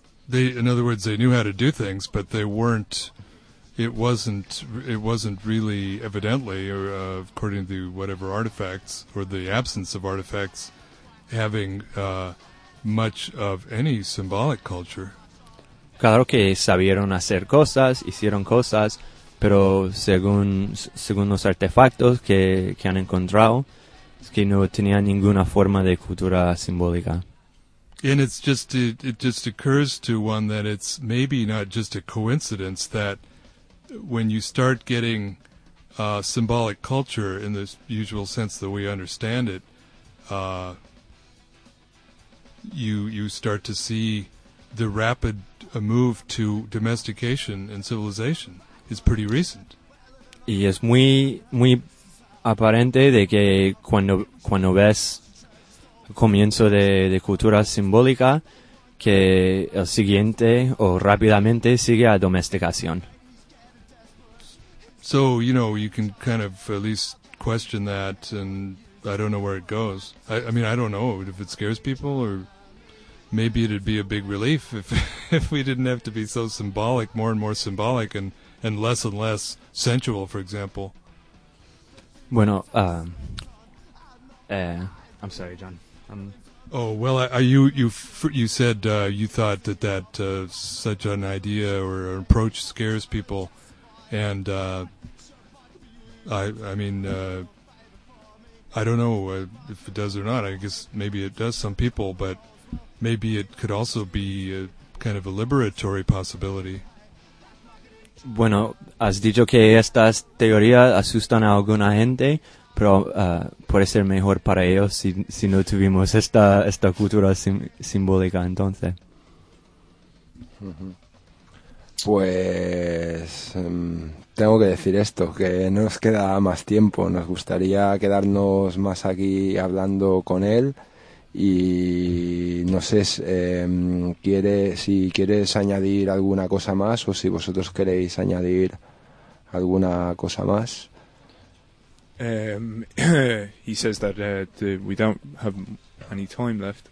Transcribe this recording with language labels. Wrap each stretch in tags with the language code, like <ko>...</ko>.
<en>In other words, they knew how to do things, but they weren't, it wasn't really evidently, according to whatever artifacts, or the absence of artifacts, having much of any symbolic culture.</en> <es>Claro que sabieron hacer cosas, hicieron cosas, pero según los artefactos que han encontrado, es que no tenía ninguna forma de cultura simbólica.</es> <en>And it's just it just occurs to one that it's maybe not just a coincidence that when you start getting symbolic culture in this usual sense that we understand it, you start to see the rapid move to domestication and civilization is pretty recent.</en> <es>Y es muy muy aparente de que cuando ves comienzo de cultura simbólica, que el siguiente o rápidamente sigue a domesticación.</es> <en>So, you know, you can kind of at least question that, and I don't know where it goes. I mean, I don't know if it scares people, or maybe it'd be a big relief if we didn't have to be so symbolic, more and more symbolic, and less sensual, for example. Bueno, I'm sorry, John. You said you thought that such an idea or an approach scares people, and I don't know if it does or not. I guess maybe it does some people, but maybe it could also be a kind of a liberatory possibility.</en> <es>Bueno, has dicho que estas teorías asustan a alguna gente, pero puede ser mejor para ellos si no tuvimos esta cultura simbólica, entonces. Pues tengo que decir esto, que no nos queda más tiempo. Nos gustaría quedarnos más aquí hablando con él. Y no sé si quieres añadir alguna cosa más o si vosotros queréis añadir alguna cosa más.</es> <en>He says that we don't have any time left.</en>